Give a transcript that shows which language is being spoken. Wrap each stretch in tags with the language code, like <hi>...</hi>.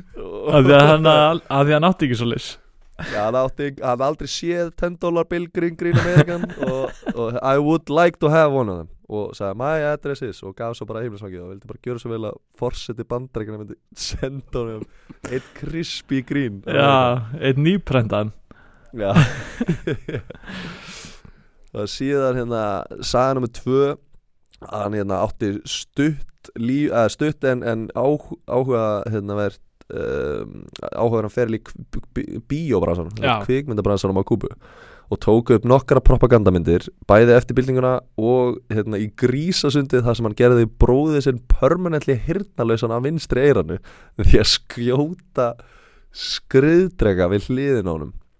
<is>Að því hann átti ekki svo leys. Já, hann hafði aldrei séð</is> <en>$10 bill Green Green American. Og I would like to have one of them.</en> <is>Og sagði</is> <en>my address is,</en> <is>og gaf svo bara heimilisfangið og vildi bara gjöra svo vel að forseti bandaríkjanna myndi senda honum eitt</is> <en>crispy green.</en> <is>Já, eitt nýprendan. Já. Og síðan hérna saga nummer 2, að hann hérna átti stutt en áhugaverðan feril í bíóbransanum, kvikmyndabransanum á Kúbu, og tók upp nokkra propagandamyndir bæði eftir byltinguna og hérna í grísasundi þar sem hann gerði bróðið sinn permanently heyrnarlausan af vinstri eyranu því að skjóta skriðdreka við hliðin á honum.</is>